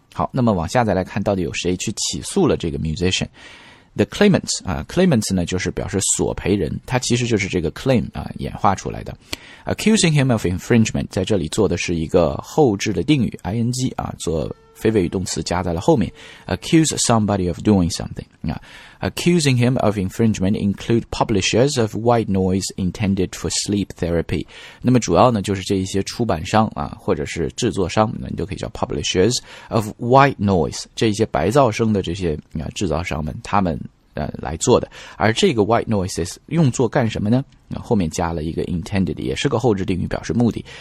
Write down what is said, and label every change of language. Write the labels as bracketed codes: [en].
[zh] 好，那么往下再来看，到底有谁去起诉了这个 musician？ The claimants 啊 ，claimants 呢就是表示索赔人，他其实就是这个 claim 啊演化出来的。 [en] Accusing him of infringement [zh] 在这里做的是一个后置的定语 ing 啊，做非谓语动词加在了后面。 [en] Accuse somebody of doing something 啊。 Accusing him of infringement include publishers of white noise intended for sleep therapy. [zh] 那么主要呢就是这一些出版商啊，或者是制作商，那你就可以叫 [en] publishers of white noise， [zh] 这一些白噪声的这些制造商们，他们来做的。而这个 white noises 用作干什么呢？后面加了一个 intended， 也是个后置定语，表示目的。